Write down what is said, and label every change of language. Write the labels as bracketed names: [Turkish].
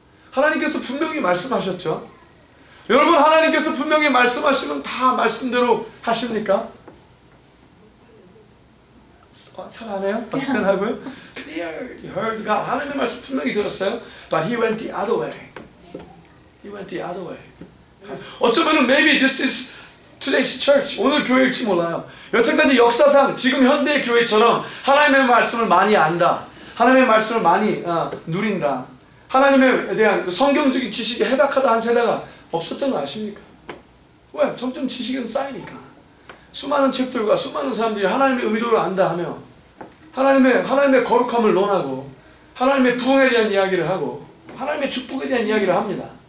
[Korean] 하나님께서 분명히 말씀하셨죠. 여러분, 하나님께서 분명히 말씀하시면 다 말씀대로 하십니까? 잘 안 해요? 어떻게 하고요? [English] Clearly heard God. [Korean] 하나님의 말씀 분명히 들었어요. [English] But he went the other way. He went the other way. [Korean] 어쩌면 [English] maybe this is today's church. [Korean] 오늘 교회일지 몰라요. 여태까지 역사상 지금 현대의 교회처럼 하나님의 말씀을 많이 안다, 하나님의 말씀을 많이 누린다, 하나님에 대한 성경적인 지식이 해박하다 한 세대가 없었던 거 아십니까? 왜? 점점 지식은 쌓이니까. 수많은 책들과 수많은 사람들이 하나님의 의도를 안다 하며 하나님의 거룩함을 논하고 하나님의 부흥에 대한 이야기를 하고 하나님의 축복에 대한 이야기를 합니다.